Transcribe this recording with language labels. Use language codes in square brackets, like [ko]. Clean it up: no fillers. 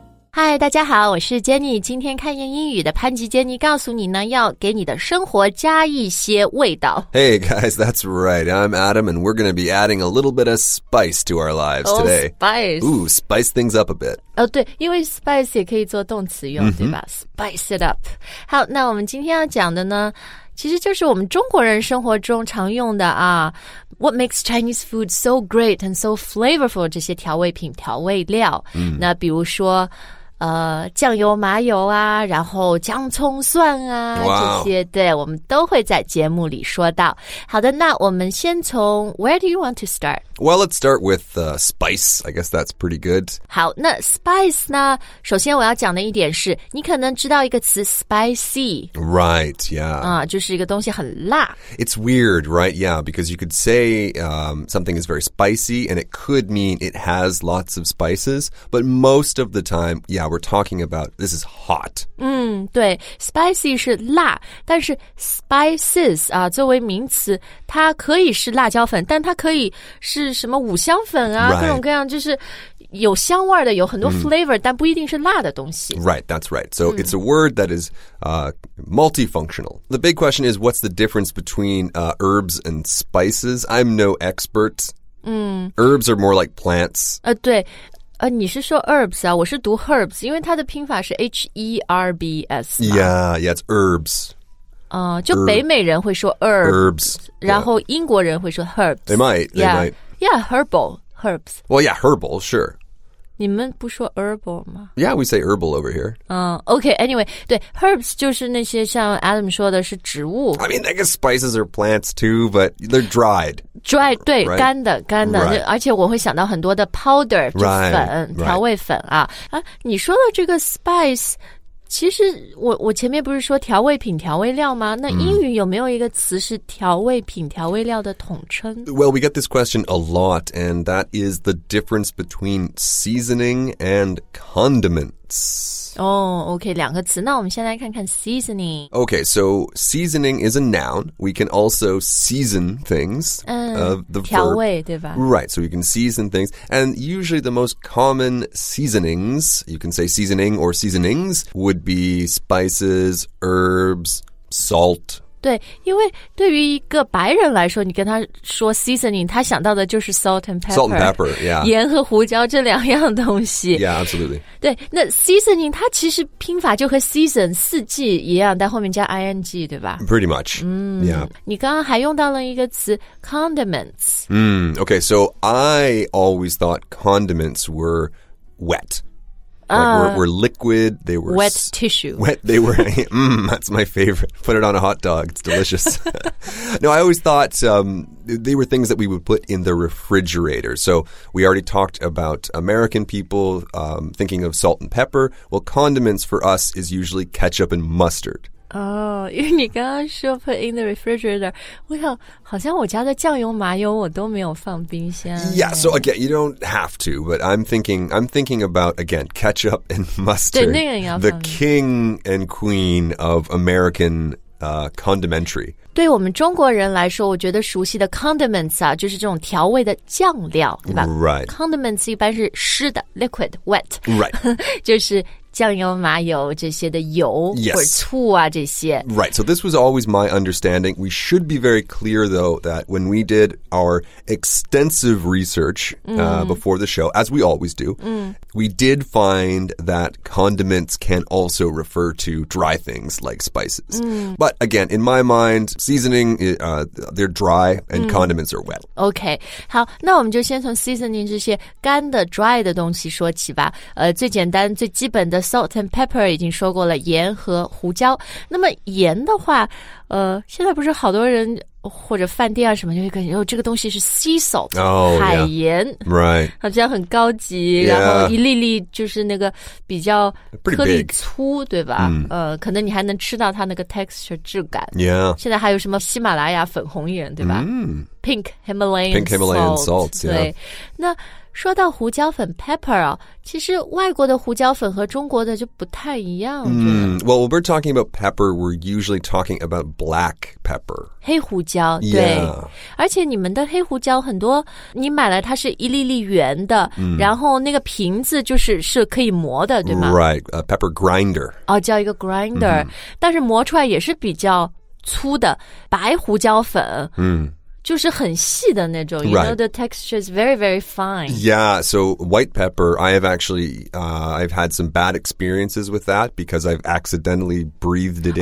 [zh] 嗨，大家好，我是 Jenny。今天看见英语的潘吉 Jenny 告诉你呢，要给你的生活加一些味道。 [en] Hey guys, that's right, I'm Adam, and we're going to be adding a little bit of spice to our lives today. Oh, spice. Ooh, spice things up a bit. [zh] 哦，对，因为 spice 也可以做动词用，对吧？ [en] Spice it up. [zh] 好，那我们今天要讲的呢，其实就是我们中国人生活中常用的啊。 [en] What makes Chinese food so great and so flavorful? [zh] 这些调味品、调味料。那比如说酱油、麻油啊，然后姜、葱、蒜啊、 [en] wow. [zh] 这些，对，我们都会在节目里说到。好的，那我们先从 [en] Where do you want to start? Well, let's start with spice. I guess that's pretty good. [zh] 好，那 spice 呢，首先我要讲的一点是，你可能知道一个词 spicy. [en] Right, yeah. 就是一个东西很辣。 It's weird, right? Yeah, because you could say something is very spicy, and it could mean it has lots of spices, but most of the time,Yeah, we're talking about, this is hot. [zh] 对, spicy 是辣,但是 spices, 作为名词,它可以是辣椒粉,但它可以是什么五香粉啊,各种各样,就是有香味的,有很多 flavor,但不一定是辣的东西。 [en] Right, that's right. So it's a word that is multifunctional. The big question is, what's the difference between herbs and spices? I'm no expert. Herbs are more like plants. [zh] 对。你是说 herbs 啊，我是读 herbs, 因为它的拼法是 H-E-R-B-S [en] 嘛。Yeah, yeah, it's herbs. [zh] 就北美人会说 herbs, 然后英国人会说 herbs. [en] They might, they might. Yeah, herbal, herbs. Well, yeah, herbal, sure. [zh] 你们不说 herbal 吗？ [en] Yeah, we say herbal over here. Okay, anyway, [zh] 对 herbs 就是那些像 Adam 说的是植物。 [en] I mean, I guess spices are plants too, but they're dried. Dry, [zh] 对、 [en] right. [zh] 干的干的、 [en] right. [zh] 而且我会想到很多的 powder 就是粉、 [en] right. [zh] 调味粉啊、 [en] right. [zh] 啊，你说的这个 spice 其实我前面不是说调味品调味料吗那英语有没有一个词是调味品调味料的统称 [en] Well, we get this question a lot, and that is the difference between seasoning and condiments. Oh, okay, [zh] 两个词那我们先来看看 seasoning. [en] Okay, so seasoning is a noun. We can also season things. [zh] The 调味 verb. 对吧 [en] Right, so you can season things. And usually the most common seasonings, you can say seasoning or seasonings, would be spices, herbs, salt. [zh] 对因为对于一个白人来说你跟他说 seasoning, 他想到的就是 [en] salt and pepper. Salt and pepper, yeah. [zh] 盐和胡椒这两样东西。 [en] Yeah, absolutely. [zh] 对那 seasoning, 它其实拼法就和 season, 四季一样但后面加 ing, 对吧 [en] Pretty much, yeah. [zh] 你刚刚还用到了一个词 condiments. [en] Okay, so I always thought condiments were wet. Were liquid, they were... Wet tissue. Wet, they were... that's my favorite. Put it on a hot dog, it's delicious. No, I always thought they were things that we would put in the refrigerator. So we already talked about American people thinking of salt and pepper. Well, condiments for us is usually ketchup and mustard. [zh] 因为你刚刚说 [en] put in the refrigerator, [zh] 我想好像我家的酱油麻油我都没有放冰箱。 [en] Yeah, so again, you don't have to, but I'm thinking about, again, ketchup and mustard. [zh] 对，那个也要放。 [en] The king and queen of American condimentary. [zh] 对我们中国人来说，我觉得熟悉的 condiments 啊，就是这种调味的酱料，对吧 [en] ？Right. [zh] Condiments 一般是湿的 [en] liquid, wet. Right. [zh] 就是。酱油、麻油这些的油、 [en] yes. [zh] 或者醋啊这些。 [en] Right, so this was always my understanding. We should be very clear, though, that when we did our extensive research before the show, as we always do, we did find that condiments can also refer to dry things like spices. But again, in my mind, seasoning, they're dry and condiments are wet. Okay, [zh] 好，那我们就先从 seasoning 这些干的 dry 的东西说起吧。最简单、最基本的 [en] Salt and pepper [zh] 已经说过了，盐和胡椒。那么盐的话，现在不是好多人或者饭店啊什么就会感觉哦，这个东西是 sea salt，、 [en] oh, [zh] 海盐、 [en] yeah. ，right？ [zh] 好像很高级， [en] yeah. [zh] 然后一粒粒就是那个比较颗粒粗，对吧？可能你还能吃到它那个 texture 质感。 [en] Yeah， [zh] 现在还有什么喜马拉雅粉红盐，对吧 ？ [en] Pink Himalayan Pink Himalayan salt， [zh] salt 对， [en] yeah. [zh] 那。说到胡椒粉 pepper 啊，其实外国的胡椒粉和中国的就不太一样。 [en] Well, when we're talking about pepper, we're usually talking about black pepper. [zh] 黑胡椒，对。 [en] Yeah. [zh] 而且你们的黑胡椒很多，你买来它是一粒粒圆的，嗯、然后那个瓶子就是是可以磨的，对吗 [en] ？Right, a pepper grinder. [zh] 哦，叫一个 grinder，、mm-hmm. 但是磨出来也是比较粗的白胡椒粉。嗯、mm.。就是很细的那种 [en] right. You know the texture is very, very fine. Yeah, so white pepper, I have actually, I've had some bad experiences with that because I've accidentally breathed it in.